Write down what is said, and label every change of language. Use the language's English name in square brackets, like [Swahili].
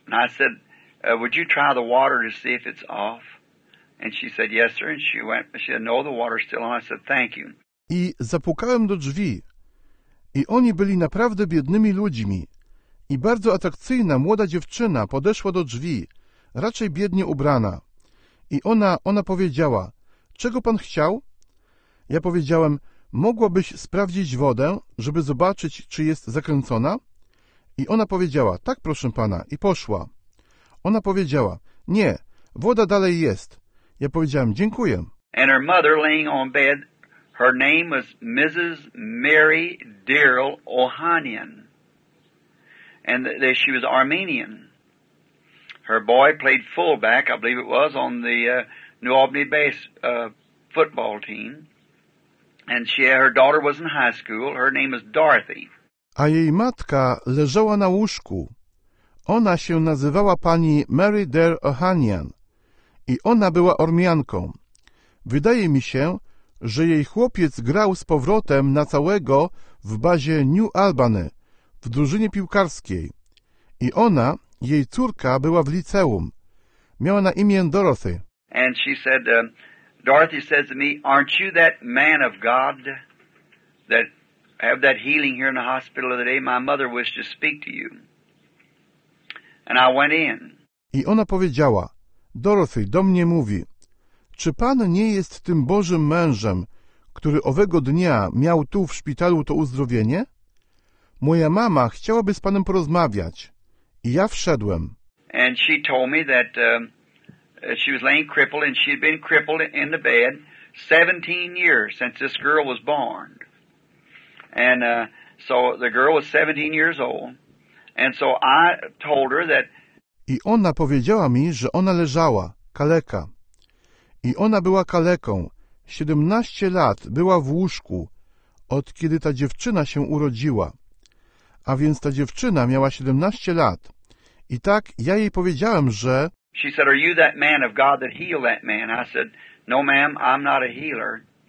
[English] And I said, would you try the water to see if it's off? And she said, yes, sir. And she went, she said, no, the water's still on. I said, thank you. [Polish] I zapukałem do drzwi. I oni byli naprawdę biednymi ludźmi. I bardzo atrakcyjna młoda dziewczyna podeszła do drzwi, raczej biednie ubrana. I ona powiedziała, czego pan chciał? Ja powiedziałem, mogłabyś sprawdzić wodę, żeby zobaczyć, czy jest zakręcona? I ona powiedziała, tak, proszę pana, i poszła. Ona powiedziała, nie, woda dalej jest. Ja powiedziałem, dziękuję. [English] And her mother laying on bed, her name was Mrs. Mary Daryl Ohanian. And she was Armenian. Her boy played fullback, I believe it was, on the New Albany base football team. And her daughter was in high school. Her name is Dorothy. [Polish] A jej matka leżała na łóżku. Ona się nazywała pani Mary Dare Ohanian. I ona była Ormianką. Wydaje mi się, że jej chłopiec grał z powrotem na całego w bazie New Albany, w drużynie piłkarskiej. I ona, jej córka, była w liceum. Miała na imię Dorothy. [English] And she said, Dorothy says to me, aren't you that man of God that have that healing here in the hospital the day my mother wished to speak to you? And I went in. [Polish] I ona powiedziała, Dorothy, do mnie mówi, czy pan nie jest tym Bożym mężem, który owego dnia miał tu w szpitalu to uzdrowienie? Moja mama chciałaby z panem porozmawiać. I ja wszedłem. [English] And she told me that she was laying crippled and she had been crippled in the bed 17 years since this girl was born. And so the girl was 17 years old. And so I told her that. [Polish] I ona powiedziała mi, że ona leżała, kaleka. I ona była kaleką. 17 lat była w łóżku, od kiedy ta dziewczyna się urodziła. A więc ta dziewczyna miała 17 lat. I tak ja jej powiedziałem, że... [English] She said, are you that man of God that healed that man? I said, no ma'am, I'm not a healer.